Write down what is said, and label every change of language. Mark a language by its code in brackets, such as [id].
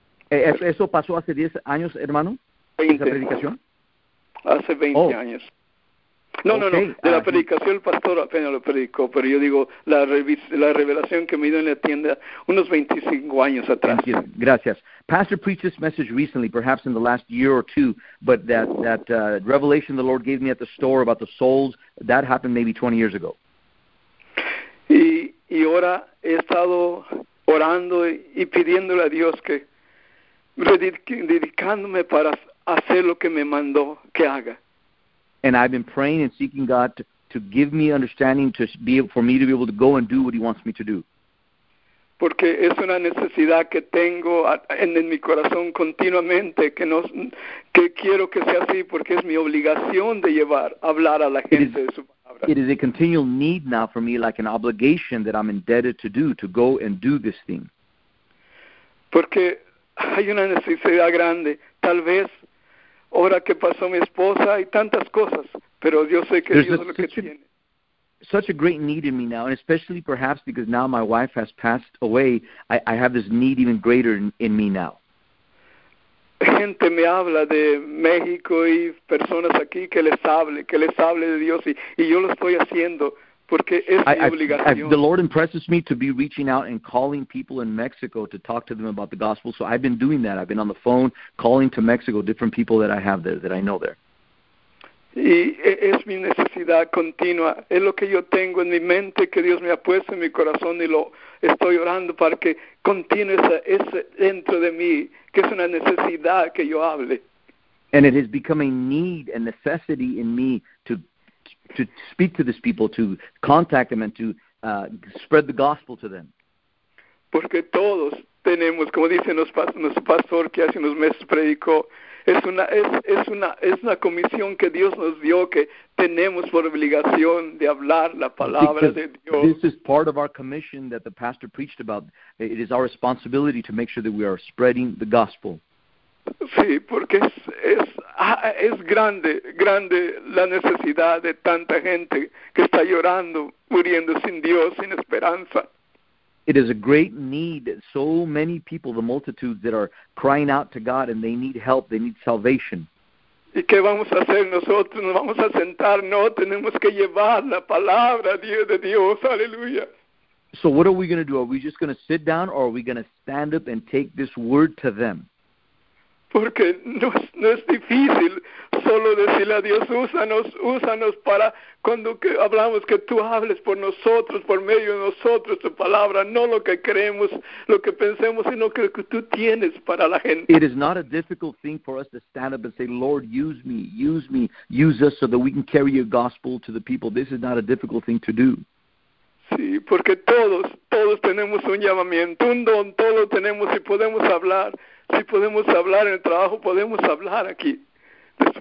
[es] ¿Eso pasó hace 10 años, hermano? 20. ¿Esa predicación? Hace 20 años. No, okay. No, de la predicación el pastor apenas lo predicó, pero yo digo la revelación que me dio en la tienda unos 25 años atrás. [en] Thank you. [es] Gracias. [en] Pastor preached this message recently, perhaps in the last year or two, but that revelation the Lord gave me at the store about the souls, that happened maybe 20 years ago. [es] Y ahora he estado orando y pidiéndole a Dios que dedicándome para hacer lo que me mandó que haga. [en] And I've been praying and seeking God to give me understanding for me to be able to go and do what He wants me to do. [es] Porque es una necesidad que tengo en mi corazón continuamente que quiero que sea así porque es mi obligación de llevar hablar a la gente de su palabra. [en] It is a continual need now for me, like an obligation that I'm indebted to do, to go and do this thing. [es] Porque hay una necesidad grande, tal vez ahora que pasó mi esposa y tantas cosas, pero yo sé que Dios es lo que tiene. [en] Such a great need in me now, and especially perhaps because now my wife has passed away, I have this need even greater in me now. [es] Gente me habla de México y personas aquí que les hable de Dios y yo lo estoy haciendo porque es mi obligación. [en] The Lord impresses me to be reaching out and calling people in Mexico to talk to them about the gospel, so I've been doing that. I've been on the phone calling to Mexico different people that I have there, that I know there. [es] Y es mi necesidad continua, es lo que yo tengo en mi mente que Dios me ha puesto en mi corazón y lo estoy orando para que continúe ese dentro de mí, que es una necesidad que yo hable. [en] And it has become a need, a necessity in me to speak to these people, to contact them and to spread the gospel to them. [es] Porque todos tenemos, como dice nuestro pastor que hace unos meses predicó, Es una comisión que Dios nos dio que tenemos por obligación de hablar la palabra [en] Because [es] de Dios. [en] This is part of our commission that the pastor preached about. It is our responsibility to make sure that we are spreading the gospel. [es] Sí, porque es grande la necesidad de tanta gente que está llorando, muriendo sin Dios, sin esperanza. [en] It is a great need. So many people, the multitudes that are crying out to God and they need help, they need salvation. [es] ¿Y qué vamos a hacer nosotros? ¿Nos vamos a sentar? No, tenemos que llevar la palabra de Dios, aleluya. [en] So what are we going to do? Are we just going to sit down or are we going to stand up and take this word to them? [es] Porque no es difícil solo decirle a Dios, úsanos para cuando que hablamos, que tú hables por nosotros, por medio de nosotros, tu palabra, no lo que creemos, lo que pensemos, sino que lo que tú tienes para la [en] It [es] gente. [en] is not a difficult thing for us to stand up and say, Lord, use me, use me, use us so that we can carry your gospel to the people. This is not a difficult thing to do. [es] Sí, porque todos tenemos un llamamiento, un don, todos tenemos y podemos hablar. Si podemos hablar en el trabajo, podemos hablar aquí de su